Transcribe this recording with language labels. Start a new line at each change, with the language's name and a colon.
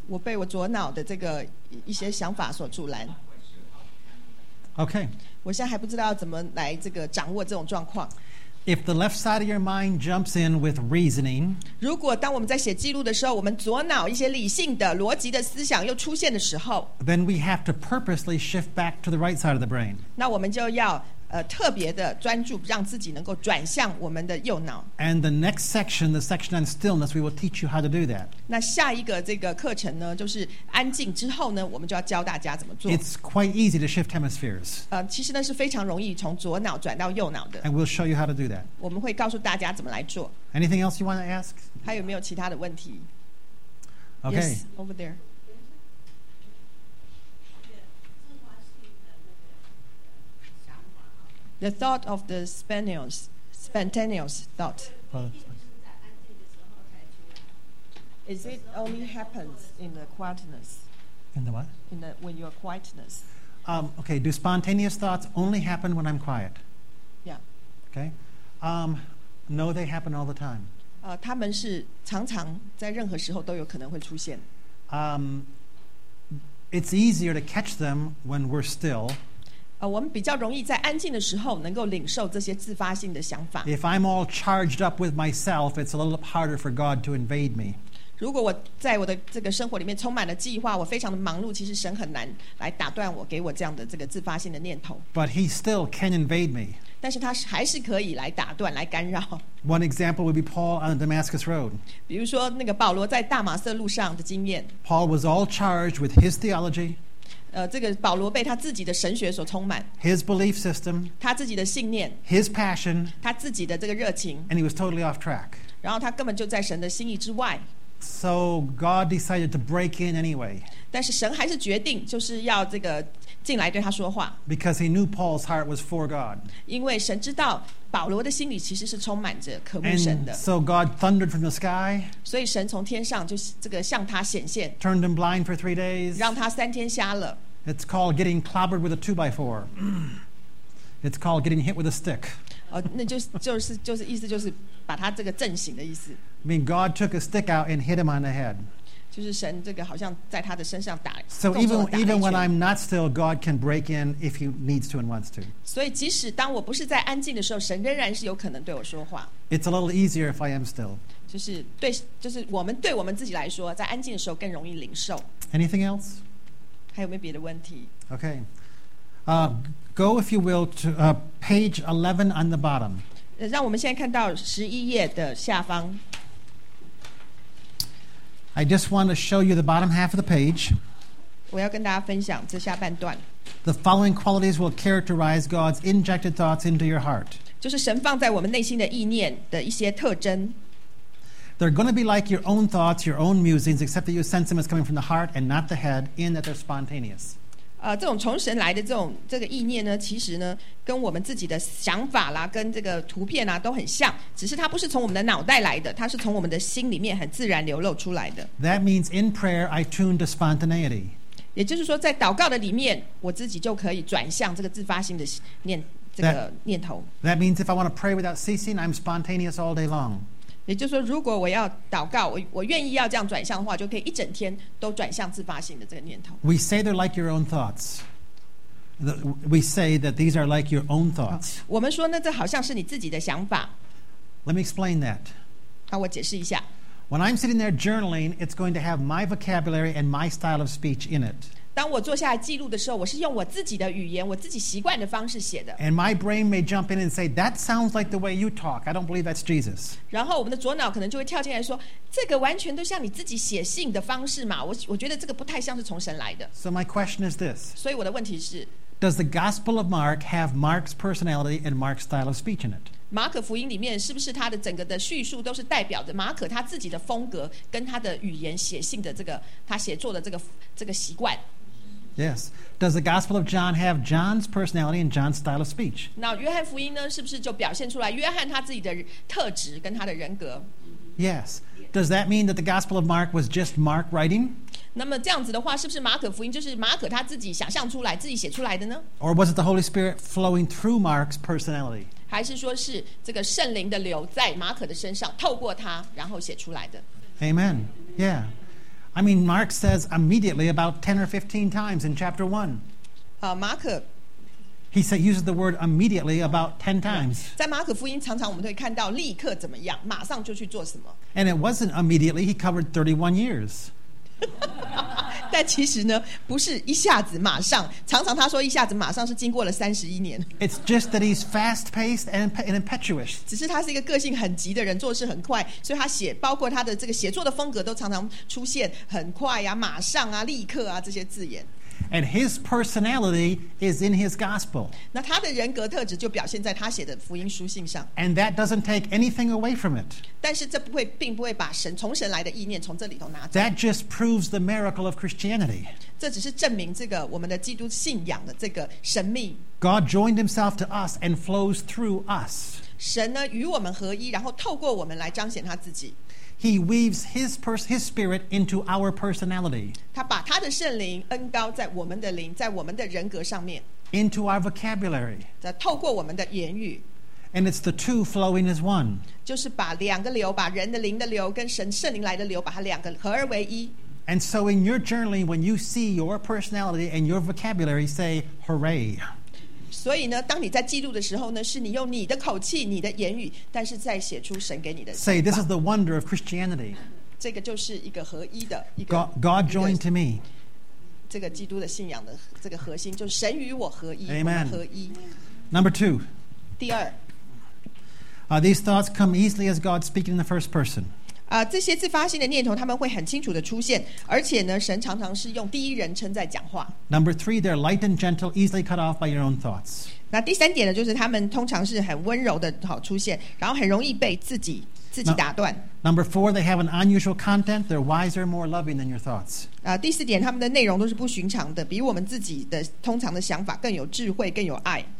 Chinese: 我被我左脑的这个一些想法所阻拦。 OK，我现在还不知道怎么来这个掌握这种状况。
English: If the left side of your mind jumps in with reasoning，
Chinese: 如果当我们在写记录的时候，我们左脑一些理性的、逻辑的思想又出现的时候
English: ，Then we have to purposely shift back to the right side of the brain。
Chinese: 那我们就要。特别的专注，让自己能够转向我们的右脑。
English: And the next section, the section on stillness, we will teach you how to do that.
Chinese: 那下一个这个课程呢，就是安静之后呢，我们就要教大家怎么做。
English: It's quite easy to shift hemispheres.
Chinese: 其实呢是非常容易从左脑转到右脑的。
English: And we'll show you how to do that.
Chinese: 我们会告诉大家怎么来做。
English: Anything else you want to ask?
Chinese: 还有没有其他的问题
English: ？Okay. Yes, over there. The thought of the spontaneous thought. Is it only happens in the quietness? In the what? In the, when you're quietness. Okay, do spontaneous thoughts only happen when I'm quiet? Yeah. Okay. No, they happen all the time.
Chinese: 他们是常常在任何时候都有可能会出现。
English: It's easier to catch them when we're still.
Chinese: 我们比较容易在安静的时候能够领受这些自发性的想法。
English: If I'm all charged up with myself, it's a little harder for God to invade me.
Chinese: 如果我在我的这个生活里面充满了计划，我非常的忙碌，其实神很难来打断我，给我这样的这个自发性的念头。
English: But he still can invade me.
Chinese: 但是他还是可以来打断，来干扰。
English: One example would be Paul on the Damascus Road.
Chinese: 比如说那个保罗在大马色路上的经验。
English: Paul was all charged with his theology.
Chinese: 这个保罗被他自己的神学所充满
English: ，his belief system，
Chinese: 他自己的信念
English: ，his passion，
Chinese: 他自己的这个热情
English: ，and he was totally off track。
Chinese: 然后他根本就在神的心意之外。
English: So God decided to break in anyway。
Chinese: 但是神还是决定就是要这个进来对他说话。
English: Because he knew Paul's heart was for God。
Chinese: 因为神知道保罗的心里其实是充满着渴慕神的。
English: And so God thundered from the sky。
Chinese: 所以神从天上就这个向他显现。
English: Turned him blind for 3 days。
Chinese: 让他三天瞎了。
English: It's called getting clobbered with a 2x4. It's called getting hit with a stick.
Chinese: 那就是意思就是把他这个震醒的意思。
English: I mean, God took a stick out and hit him on the head.
Chinese: 就是神这个好像在他的身上打。
English: So even when I'm not still, God can break in if he needs to and wants to.
Chinese: 所以即使当我不是在安静的时候，神仍然是有可能对我说话。
English: It's a little easier if I am still.
Chinese: 就是我们对我们自己来说，在安静的时候更容易领受。
English: Anything else?
Chinese: 还有没有别的问题
English: ？Okay, go if you will to page 11 on the bottom.
Chinese: 让我们现在看到十一页的下方。
English: I just want to show you the bottom half of the page.
Chinese: 我要跟大家分享这下半段。
English: The following qualities will characterize God's injected thoughts into your heart.
Chinese: 就是神放在我们内心的意念的一些特征。
English: They're going to be like your own thoughts, your own musings, except that you sense them as coming from the heart and not the head, in that they're spontaneous.
Chinese: 这种从神来的这个意念呢，其实呢，跟我们自己的想法啦，跟这个图片啦，都很像，只是它不是从我们的脑袋来的，它是从我们的心里面很自然流露出来的。
English: That means in prayer, I tune to spontaneity.
Chinese: 也就是说，在祷告的里面，我自己就可以转向这个自发性的念这个念头。
English: That means if I want to pray without ceasing, I'm spontaneous all day long.
Chinese: 也就是说，如果我要祷告，我愿意要这样转向的话，就可以一整天都转向自发性的这个念头。
English: We say they're like your own thoughts. We say that these are like your own thoughts.
Chinese: 我们说呢，这好像是你自己的想法。
English: Let me explain that.
Chinese: 我解释一下。
English: When I'm sitting there journaling, it's going to have my vocabulary and my style of speech in it.
Chinese: 当我坐下来记录的时候，我是用我自己的语言，我自己习惯的方式写的。
English: And my brain may jump in and say, that sounds like the way you talk. I don't believe that's Jesus.
Chinese: 然后我们的左脑可能就会跳进来说，这个完全都像你自己写信的方式嘛，我觉得这个不太像是从神来的。
English: So my question is this.
Chinese: 所以我的问题是，
English: Does the Gospel of Mark have Mark's personality and Mark's style of speech in it?
Chinese: 马可福音里面是不是他的整个的叙述都是代表着马可他自己的风格跟他的语言写信的这个他写作的这个习惯。
English: Yes. Does the Gospel of John have John's personality and John's style of speech?
Chinese: 那约翰福音呢，是不是就表现出来约翰他自己的特质跟他的人格？
English: Yes. Does that mean that the Gospel of Mark was just Mark writing?
Chinese: 那么这样子的话，是不是马可福音就是马可他自己想象出来、自己写出来的呢？
English: Or was it the Holy Spirit flowing through Mark's personality?
Chinese: 还是说是这个圣灵的流在马可的身上，透过他然后写出来的？
English: Amen. Yeah. I mean, Mark says immediately about 10 or 15 times in chapter 1. He said, uses the word immediately about 10 times.
Chinese: 在马可福音常常我们会看到立刻怎么样，马上就去做什么。
English: And it wasn't immediately, he covered 31 years.
Chinese: 但其实呢，不是一下子马上，常常他说一下子马上是经过了31年。
English: It's just that he's fast-paced and impetuous.
Chinese: 只是他是一个个性很急的人，做事很快，所以他写，包括他的这个写作的风格都常常出现很快啊，马上啊，立刻啊，这些字眼。
English: And his personality is in his gospel.
Chinese: 那他的人格特质就表现在他写的福音书信上。
English: And that doesn't take anything away from it.
Chinese: 但是这并不会把神从神来的意念从这里头拿走。
English: That just proves the miracle of Christianity.
Chinese: 这只是证明这个我们的基督信仰的这个神秘。
English: God joined himself to us and flows through us.
Chinese: 神呢与我们合一，然后透过我们来彰显他自己。
English: He weaves his spirit into our personality.
Chinese: 他把他的圣灵恩膏在我们的灵，在我们的人格上面。
English: Into our vocabulary.
Chinese: 在透过我们的言语。
English: And it's the two flowing as one.
Chinese: 就是把两个流，把人的灵的流跟神圣灵来的流，把它两个合而为一。
English: And so in your journaling, when you see your personality and your vocabulary, say hooray.
Chinese: 所以呢，当你在记录的时候呢，是你用你的口气、你的言语，但是在写出神给你的。
English: Say this is the wonder of Christianity.
Chinese: 这个就是一个合一的一个。
English: God joined to me.
Chinese: 这个基督的信仰的这个核心就是神与我合一。
English: Amen.
Chinese: 合一。
English: Number two.
Chinese: 第二。
English: These thoughts come easily as God speaking in the first person.
Chinese: 这些自发性的念头他们会很清楚的出现，而且呢，神常常是用第一人称在讲话。
English: Number three, they're light and gentle, easily cut off by your own thoughts.
Chinese: 那第三点呢，就是他们通常是很温柔的好出现，然后很容易被自己打断。
English: Number four, they have an unusual content. They're wiser, more loving than your thoughts.
Chinese: 第四点，他们的内容都是不寻常的，比我们自己的通常的想法更有智慧，更有爱。